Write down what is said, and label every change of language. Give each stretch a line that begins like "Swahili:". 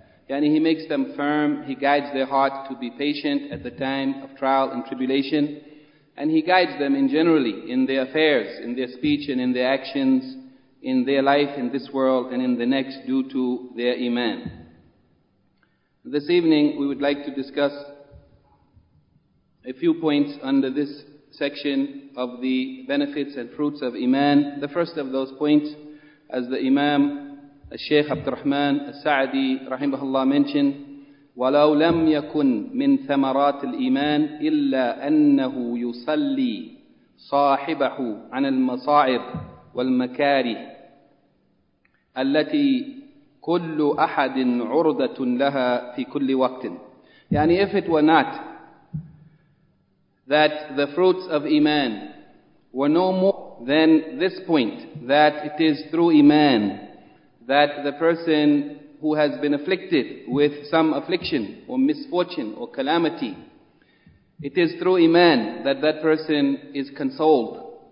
English: Yani he makes them firm, he guides their heart to be patient at the time of trial and tribulation, and he guides them in generally in their affairs, in their speech and in their actions, in their life in this world and in the next due to their Iman. This evening we would like to discuss a few points under this section of the benefits and fruits of Iman. The first of those points, as the Imam, Shaykh Abdul Rahman Al-Sa'di rahimahullah mentioned,
Arabic: وَلَوْ لَمْ يَكُنْ مِنْ ثَمَرَاتِ الْإِيمَانِ إِلَّا أَنَّهُ يُصَلِّي صَاحِبَهُ عَنَ الْمَصَاعِبِ وَالْمَكَارِهِ الَّتِي كُلُّ أَحَدٍ عُرْضَةٌ لَهَا فِي كُلِّ وَقْتٍ.
English: Yani if it were not that the fruits of Iman were no more than this point, that it is through Iman that the person who has been afflicted with some affliction or misfortune or calamity, it is through Iman that that person is consoled.